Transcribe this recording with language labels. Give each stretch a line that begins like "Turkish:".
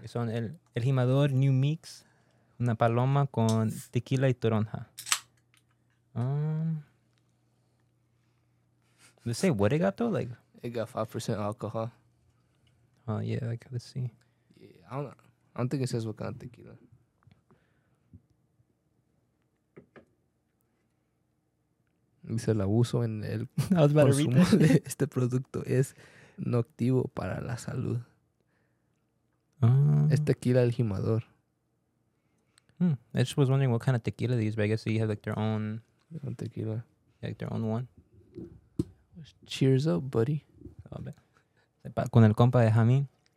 English: It's on El Himador New Mix.
Spanish: Una paloma con tequila y toronja.
English: Let's say what it got, though? Like, it got 5% alcohol. Let's see. Yeah, I don't know. I don't think it says what kind of tequila.
Spanish: Dice el abuso en el consumo de este producto es nocivo para la salud. Es tequila El Himador.
English: I just was wondering what kind of tequila they use, but I guess they have like their own tequila. Like their own one. Cheers up, buddy.
Spanish: Con el compa de Jamín.